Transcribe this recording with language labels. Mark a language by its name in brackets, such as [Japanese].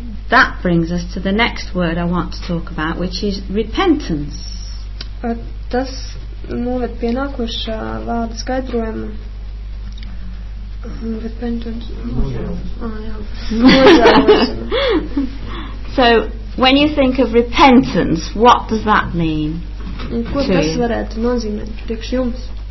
[English] That brings us to the next word I want to talk about, which is repentance. [Latvian] Tas noved pie nākošā vārda skaidrojuma. [English] So, when you think of repentance, what does that mean? [Latvian] Ko tas varētu nozīmēt priekš jums?